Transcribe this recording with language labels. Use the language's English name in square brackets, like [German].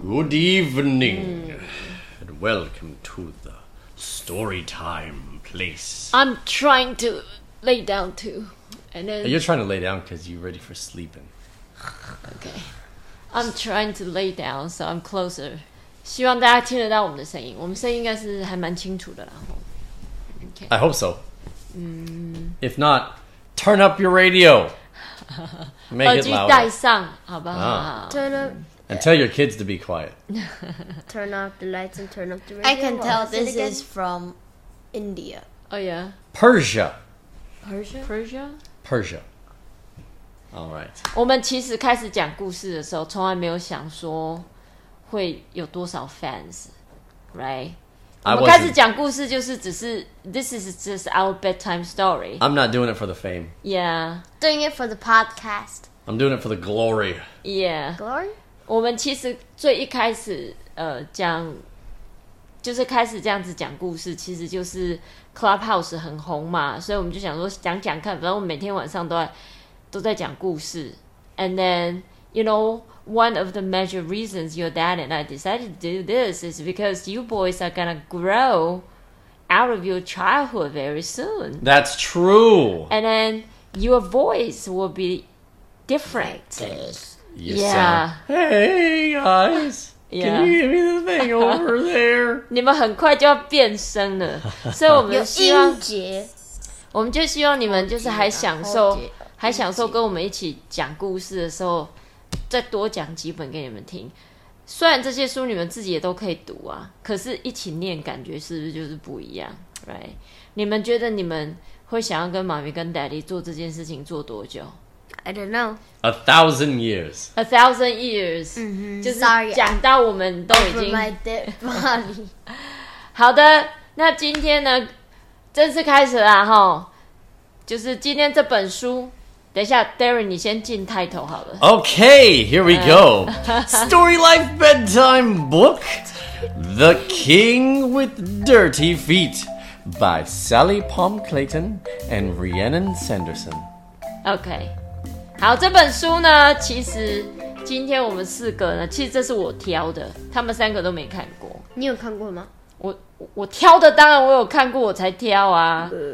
[English] Good evening. And welcome to the story time place. I'm trying to lay down too. And then you're trying to lay down because you're ready for sleeping. Okay. I'm trying to lay down, so I'm closer. [Chinese] 希望大家听得到我们的声音，我们声音应该是还蛮清楚的啦。 [English] I hope so. If not, turn up your radio. Make it louder. [Chinese] 耳机戴上，好不好？ [English] Turn up. And tell your kids to be quiet. Turn off the lights and turn up the radio. I can tell this is from India. Oh yeah. Persia. Persia? Persia? Persia. All right. [Chinese] 我们其实开始讲故事的时候，从来没有想说会有多少 fans, right? 我们开始讲故事就是只是 [English] This is just our bedtime story. I'm not doing it for the fame. Yeah. Doing it for the podcast. I'm doing it for the glory. Yeah. Glory? [Chinese] 我们其实最一开始讲就是开始这样子讲故事，其实就是 Clubhouse 很红嘛，所以我们就想说讲讲看，反正我们每天晚上都在讲故事。 [English] And then, you knowOne of the major reasons your dad and I decided to do this is because you boys are gonna grow out of your childhood very soon. That's true. And then your voice will be different. Yes. Yeah. Hey guys, can you give me the thing over there? [Chinese] 你们很快就要变声了，所以我们希望有音节，我们就希望你们就是还享受跟我们一起讲故事的时候。再多讲几本给你们听，虽然这些书你们自己也都可以读啊，可是一起念感觉是不是就是不一样 ？Right？你们觉得你们会想要跟妈咪跟 Daddy 做这件事情做多久 [English] ？I don't know. A thousand years. A thousand years.、 Mm-hmm. [Chinese] 就是讲到我们都已经。 [English] My dead body. [Chinese] 好的，那今天呢，正式开始啦哈，就是今天这本书。等一下 ，Darren， 你先进 title 好了。 [English] Okay, here we go. Story Life Bedtime Book, The King with Dirty Feet, by Sally Palm Clayton and Rhiannon Sanderson. [Chinese] Okay, 好，这本书呢，其实今天我们四个呢，其实这是我挑的，他们三个都没看过。你有看过吗？我挑的，当然我有看过，我才挑啊。